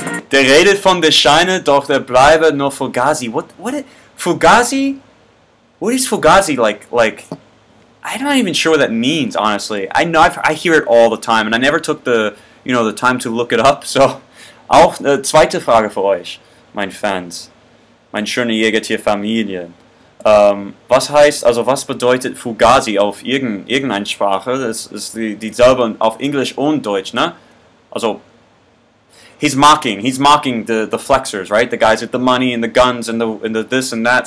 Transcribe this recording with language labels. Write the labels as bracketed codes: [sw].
[de] Der redet von der Scheine, doch der bleibe nur Fugazi. [en] What? Fugazi? What is Fugazi like? I'm not even sure what that means, honestly. I know I hear it all the time, and I never took the time to look it up. [de] So, auch eine zweite Frage für euch, mein Fans, meine schöne Jägertierfamilie. Was bedeutet Fugazi auf irgendeine Sprache? Das ist die selber auf Englisch und Deutsch, ne? [en] Also, he's mocking the flexers, right? The guys with the money and the guns and the this and that.